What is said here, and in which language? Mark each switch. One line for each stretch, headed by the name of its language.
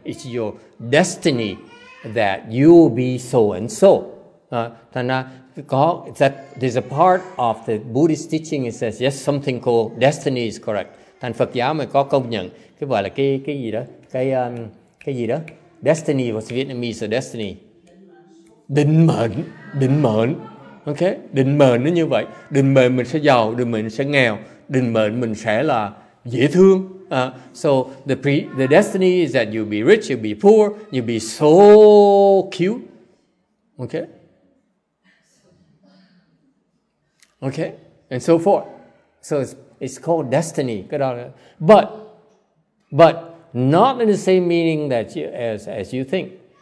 English: It's your destiny that you will be so and so. There's a part of the Buddhist teaching that says yes, something called destiny is correct.
Vietnamese: Thành Phật giáo mới có công nhận cái gọi là cái gì đó destiny.
English: What's Vietnamese destiny?
Vietnamese: Định mệnh, định mệnh. Okay, định mệnh nó như vậy. Định mệnh mình sẽ giàu, định mệnh sẽ nghèo, định mệnh mình sẽ là dễ thương.
English: So the destiny is that you'll be rich, you'll be poor, you'll be so cute. Okay, and so forth. So it's called destiny. But not in the same meaning that you, as you think.